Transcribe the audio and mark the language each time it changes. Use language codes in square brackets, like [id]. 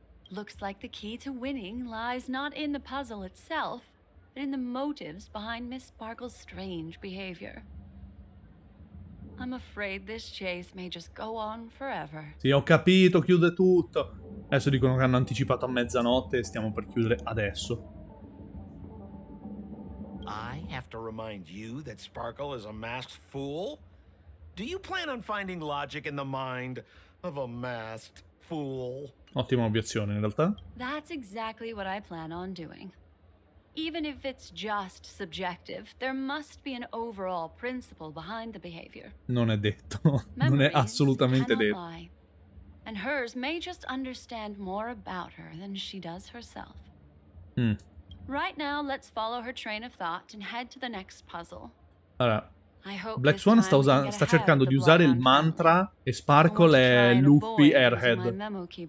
[en] Looks like the key to winning lies not in the puzzle itself, but in the motives behind Miss Sparkle's strange behavior. I'm afraid this chase may just go on forever. [it] Sì, ho capito, chiude tutto. Adesso dicono che hanno anticipato a mezzanotte e stiamo per chiudere adesso. [en] I have to remind you that Sparkle is a masked fool? Do you plan on finding logic in the mind of a masked fool? [it] Ottima obiezione, in realtà. [en] That's exactly what I plan on doing. Even if it's just subjective, there must be an overall principle behind the behavior. [it] Non è detto. Non è assolutamente detto. Lie. [en] And hers may just understand more about her than she does herself. Hmm. Right now, let's follow her train of thought and head to the next puzzle. [it] Allora, Black Swan sta cercando di usare il mantra e Sparkle è Luffy Airhead.